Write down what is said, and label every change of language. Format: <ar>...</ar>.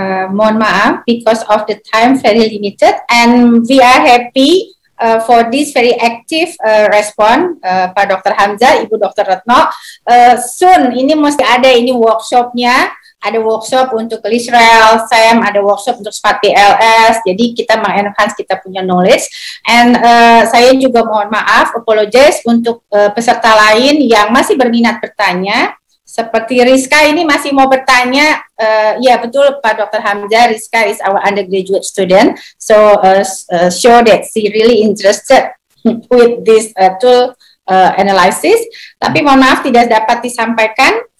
<id>Mohon maaf</id> <en>because of the time very limited and we are happy for this very active response Pak Dr. Hamzah, Ibu Dr. Retno.</en> <id>Soon ini mesti ada ini workshopnya. Ada workshop untuk Israel, SEM, ada workshop untuk SPATI LS, jadi kita meng-enhance kita punya knowledge. And saya juga mohon maaf, apologize untuk peserta lain yang masih berminat bertanya. Seperti Rizka ini masih mau bertanya, ya betul Pak Dr.</id> <en>Hamzah, Rizka is our undergraduate student. So show that she really interested with this tool analysis.</en> <id>Tapi mohon maaf tidak dapat disampaikan.</id>